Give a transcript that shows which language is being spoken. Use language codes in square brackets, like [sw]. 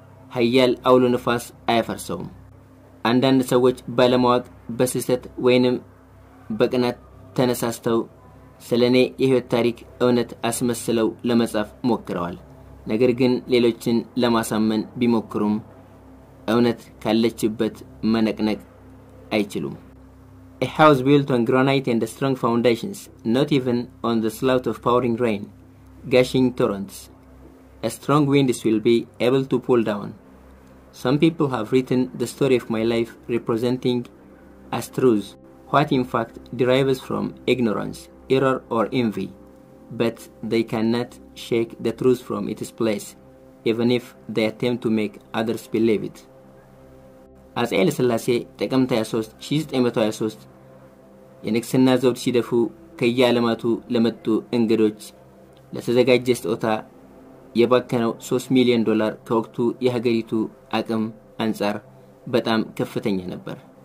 [am] ሀያል አውሎ ንፋስ አያፈርሰውም። አንዳንድ ሰዎች ባለማወቅ በስህተት ወይንም በቅናት ተነሳስተው ስለ እኔ የህይወት ታሪክ እውነት አስመስለው ለመጻፍ ሞክረዋል። ነገር ግን ሌሎችን ለማሳመን ቢሞክሩም እውነት ካለችበት መነቅነቅ አይችሉም። [en] A house built on granite and strong foundations, not even on the slough of pouring rain, gushing torrents. A strong wind will be able to pull down. Some people have written the story of my life representing as truth, what in fact derives from ignorance, error or envy, but they cannot shake the truth from its place, even if they attempt to make others believe it. [am] As ኃይለ ሥላሴ ጥቅምት 23 1923 የንግስና ዘውድ ሲደፉ ከየዓለማቱ ለመጡ እንግዶች ለተዘጋጀ ስጦታ የባከነው 3 ሚሊዮን ዶላር ከወቅቱ የሀገሪቱ አቅም አንጻር በጣም ከፍተኛ ነበር።